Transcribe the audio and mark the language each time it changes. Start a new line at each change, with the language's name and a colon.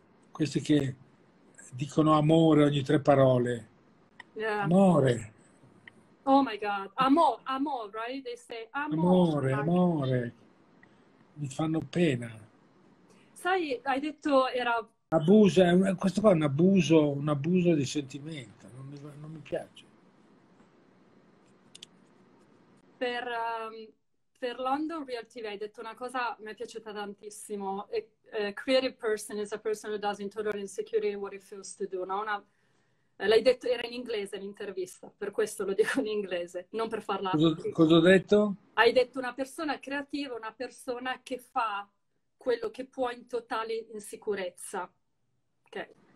Italian: Questi che dicono amore ogni tre parole, amore.
English: Oh my God, amor, amor, right? They say amor.
Italian: Amore, amore, mi fanno pena. Abuso, Sai, hai detto era. questo qua è un abuso di sentimento, non mi piace. Per London Realty hai detto una cosa che mi è piaciuta tantissimo.
English: A creative person is a person who doesn't tolerate insecurity in what it feels to do, no?
Italian: L'hai detto, era in inglese l'intervista, per questo lo dico in inglese, non per farla. Cosa ho detto? Hai detto una persona creativa, una persona che fa quello che può in totale insicurezza. Ok.